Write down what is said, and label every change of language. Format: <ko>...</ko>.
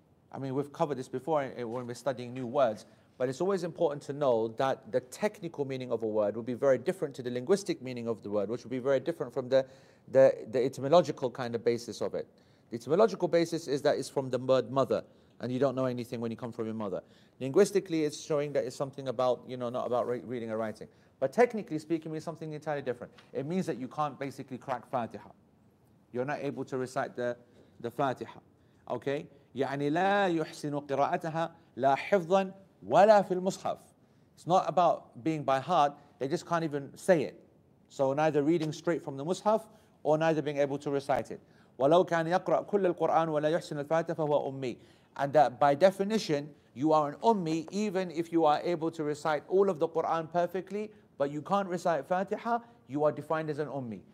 <en>I mean, we've covered this before when we're studying new words, but it's always important to know that the technical meaning of a word will be very different to the linguistic meaning of the word, which will be very different from the etymological kind of basis of it. The etymological basis is that it's from the word mother, and you don't know anything when you come from your mother. Linguistically, it's showing that it's something about, you know, not about reading or writing. But technically speaking, it's something entirely different. It means that you can't basically crack Fatiha. You're not able to recite the Fatiha. Okay?</en> <ar>يعني لا يحسن قراءتها لا حفظاً ولا في المصحف.</ar> <en>It's not about being by heart, they just can't even say it. So neither reading straight from the Mus'haf or neither being able to recite it.</en> <ar>وَلَوْ كَانَ يَقْرَأْ كُلَّ الْقُرْآنِ وَلَا يُحْسِنُ الْفَاتِحَةَ فَهُوَ أُمِّي.</ar> <en>And that by definition, you are an ummi even if you are able to recite all of the Qur'an perfectly, but you can't recite Fatiha, you are defined as an ummi.</en>